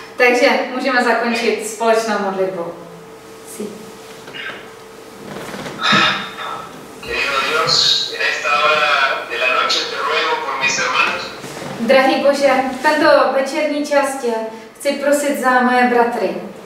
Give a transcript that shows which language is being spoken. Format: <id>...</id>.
<cs>Takže můžeme zakončit společnou modlitbou.</cs> <es>Sí. Querido Dios, en esta hora de la noche te ruego por mis hermanos.</es> <cs>Drahý Bože, v tento večerní čas tě chci prosit za moje bratry.</cs>